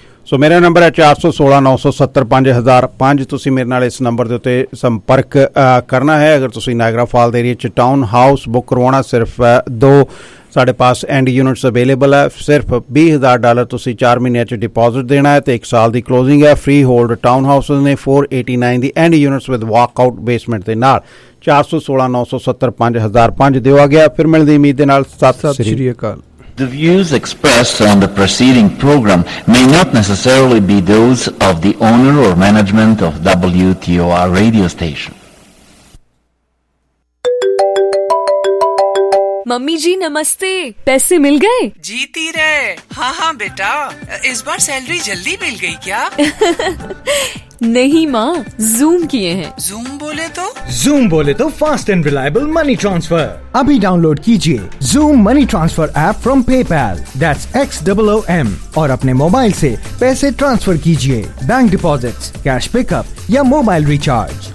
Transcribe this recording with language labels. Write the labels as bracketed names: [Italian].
[Punjabi] ਸੋ ਮੇਰਾ ਨੰਬਰ ਹੈ 416-970-5005 ਤੁਸੀਂ ਮੇਰੇ ਨਾਲ ਇਸ ਨੰਬਰ ਦੇ ਉੱਤੇ ਸੰਪਰਕ ਕਰਨਾ ਹੈ ਅਗਰ ਤੁਸੀਂ ਨਾਇਗਰਾ ਫਾਲ ਦੇ ਏਰੀਏ 'ਚ ਟਾਊਨ ਹਾਊਸ ਬੁੱਕ ਕਰਵਾਉਣਾ ਸਿਰਫ 2 ਸਾਡੇ ਪਾਸ ਐਂਡ ਯੂਨਿਟਸ ਅਵੇਲੇਬਲ ਹੈ ਸਿਰਫ $20,000 ਤੁਸੀਂ 4 ਮਹੀਨਿਆਂ 'ਚ ਡਿਪੋਜ਼ਿਟ ਦੇਣਾ ਹੈ ਅਤੇ 1 ਸਾਲ ਦੀ ਕਲੋਜ਼ਿੰਗ ਹੈ ਫਰੀ ਹੋਲਡ ਟਾਊਨ ਹਾਊਸ ਨੇ 489 ਦੀ and units with walkout basement ਦੇ ਨਾਲ 416-970-5005 ਦਿਓ ਆ ਗਿਆ ਫਿਰ ਮਿਲਣ ਦੀ ਉਮੀਦ ਦੇ ਨਾਲ ਸਤਿ ਸ੍ਰੀ ਅਕਾਲ [English] The views expressed on the preceding program may not necessarily be those of the owner or management of WTOR radio station. [Hindi] Mummy जी नमस्ते पैसे मिल गए जीती रहे हाँ हाँ बेटा इस बार सैलरी जल्दी मिल गई क्या नहीं माँ जूम किए हैं जूम बोले तो [English] fast and reliable money transfer [Hindi] अभी डाउनलोड कीजिए zoom money transfer app [English] from PayPal that's XOOM [Hindi] और अपने मोबाइल से पैसे ट्रांसफर कीजिए बैंक डिपॉजिट्स कैश पिकअप या मोबाइल रिचार्ज